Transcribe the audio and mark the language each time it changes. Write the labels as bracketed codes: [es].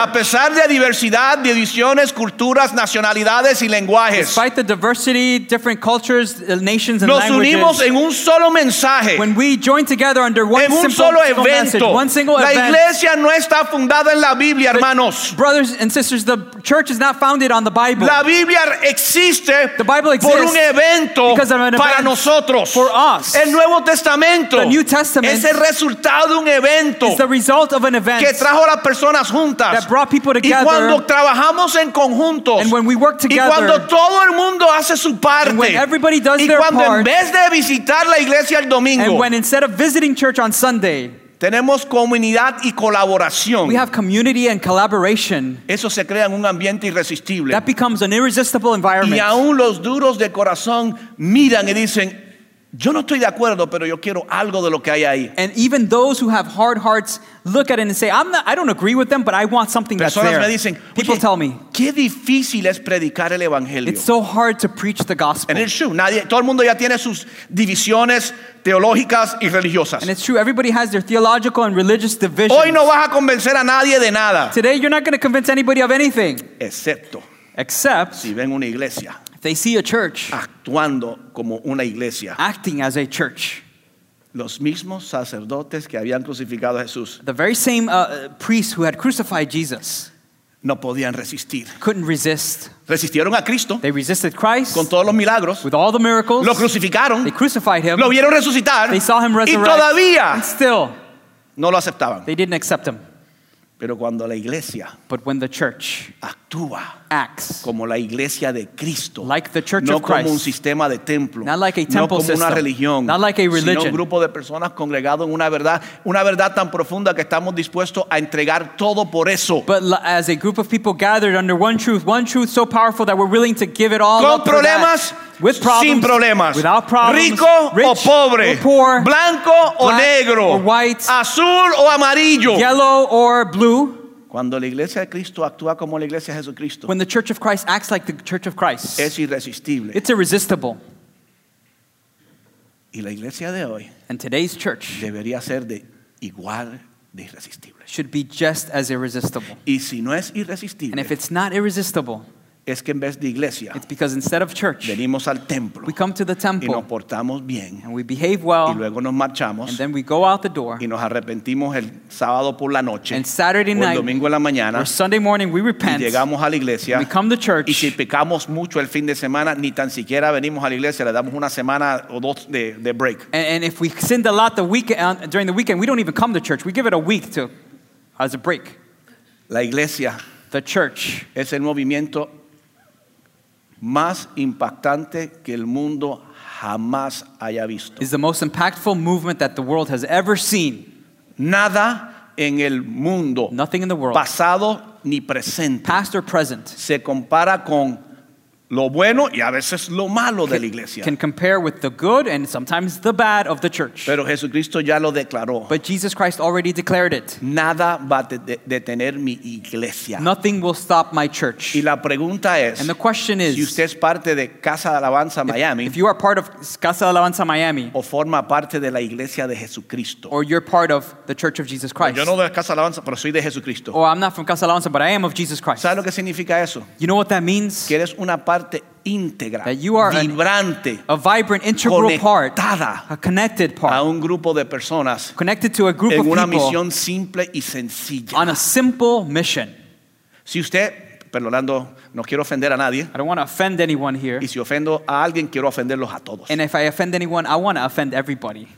[es] A pesar de diversidad, divisiones, culturas, nacionalidades y lenguajes. [en] Despite the diversity, different cultures, nations and [es] nos [en] languages. [es] Nos unimos en un solo mensaje. [en] When we join together under one [es] en un [en] simple, [es] solo evento. [en] Message, one single [es] la [en] event. [es] La iglesia no está fundada en la Biblia, hermanos. [en] But brothers and sisters, the church is not founded on the Bible. [es] La Biblia existe. [en] The Bible exists. [es] Por un evento. [en] Because of an event [es] para nosotros. [en] For us. [es] El Nuevo Testamento. [en] The New Testament. [es] Es el resultado de un evento. [en] Result of an event [es] que trajo las personas juntas, [en] that brought people together [es] y cuando trabajamos en conjunto, [en] and when we work together [es] y cuando todo el mundo hace su parte, [en] and when everybody does their [es] cuando [en] part [es] en vez de visitar la iglesia el domingo, [en] and when instead of visiting church on Sunday [es] tenemos comunidad y colaboración, [en] we have community and collaboration, [es] eso se crea en un ambiente irresistible, [en] that becomes an irresistible environment, [es] y aún los duros de corazón miran y dicen yo no estoy de acuerdo, pero yo quiero algo de lo que hay ahí. [en] And even those who have hard hearts look at it and say, I don't agree with them, but I want something [es] personas [en] that's there. [es] Me dicen, [en] people tell me, [es] qué difícil es predicar el evangelio. [en] It's so hard to preach the gospel. And it's true. [es] Nadie, todo el mundo ya tiene sus divisiones teológicas y religiosas. [en] And it's true. Everybody has their theological and religious divisions. [es] Hoy no vas a convencer a nadie de nada. [en] Today you're not going to convince anybody of anything. [es] Excepto. [en] Except. [es] Si ven una iglesia. [en] They see a church [es] actuando como una iglesia, [en] acting as a church. [es] Los mismos sacerdotes que habían crucificado a Jesús, [en] the very same priests who had crucified Jesus, [es] no podían resistir. [en] Couldn't resist. [es] Resistieron a Cristo. [en] They resisted Christ. [es] Con todos los milagros. [en] With all the miracles. [es] Lo crucificaron. [en] They crucified him. [es] Lo vieron resucitar. [en] They saw him resurrect. [es] Y todavía, [en] and still, [es] no lo aceptaban. [en] They didn't accept him. [es] Pero cuando la iglesia, [en] but when the church [es] actúa, [en] acts [es] como la iglesia de Cristo, [en] like the church [es] no [en] of Christ, [es] como un sistema de templo, [en] not like a temple, [es] no como una [en] system, [es] religión, [en] not like a religion, [es] sino un grupo de personas congregado en una verdad tan profunda que estamos dispuestos a entregar todo por eso. [en] But as a group of people gathered under one truth so powerful that we're willing to give it all [es] con [en] up for [es] problemas, [en] that, with problems, [es] sin problemas, [en] without problems, [es] rico [en] rich [es] o pobre, [en] or poor, [es] blanco [en] black [es] o negro, [en] or white, [es] azul o amarillo, [en] yellow or blue. [es] Cuando la iglesia de Cristo actúa como la iglesia de Jesucristo. [en] When the church of Christ acts like the church of Christ. [es] Es irresistible. [en] It's irresistible. [es] Y la iglesia de hoy. [en] And today's church. [es] Debería ser de igual de irresistible. [en] Should be just as irresistible. [es] Y si no es irresistible. [en] And if it's not irresistible. [es] Es que en vez de iglesia. [en] It's because instead of church. [es] Venimos al templo. [en] We come to the temple. [es] Y nos portamos bien. [en] And we behave well. [es] Y luego nos marchamos. [en] And then we go out the door. [es] Y nos arrepentimos el sábado por la noche. [en] And Saturday night. [es] O el domingo en la mañana. [en] Or Sunday morning we repent. [es] Y llegamos a la iglesia. [en] We come to church. [es] Y si pecamos mucho el fin de semana, ni tan siquiera venimos a la iglesia, le damos una semana o dos de break. [en] And if we sinned a lot the week, during the weekend, we don't even come to church. We give it a week to as a break. [es] La iglesia. [en] The church. [es] Es el movimiento más impactante que el mundo jamás haya visto. [en] Is the most impactful movement that the world has ever seen. [es] Nada en el mundo, [en] nothing in the world, [es] pasado ni presente, [en] past or present, [es] se compara con lo bueno y a veces lo malo de la iglesia. [en] Can compare with the good and sometimes the bad of the church. [es] Pero Jesucristo ya lo declaró. [en] But Jesus Christ already declared it. [es] Nada va a detener mi iglesia. [en] Nothing will stop my church. [es] Y la pregunta es, [en] and the question is, [es] si usted es parte de Casa de Alabanza Miami, [en] if you are part of Casa de Alabanza Miami, [es] o forma parte de la iglesia de Jesucristo, [en] or you're part of the Church of Jesus Christ. [es] Yo no de Casa de Alabanza, pero soy de Jesucristo. [en] Oh, I'm not from Casa de Alabanza, but I am of Jesus Christ. [es] ¿Sabe lo que significa eso? [en] You know what that means? [es] Que eres una parte íntegra, [en] that you are [es] vibrante, [en] a vibrant integral part, a connected part, [es] a un grupo de personas, [en] connected to a group [es] en [en] of [es] una [en] people [es] misión simple y sencilla, [en] on a simple mission. [es] Si usted perdonando, no quiero ofender a nadie. [en] I don't want to offend anyone here. [es] Y si ofendo a alguien, quiero ofenderlos a todos. [en] And if I offend anyone, I want to offend everybody.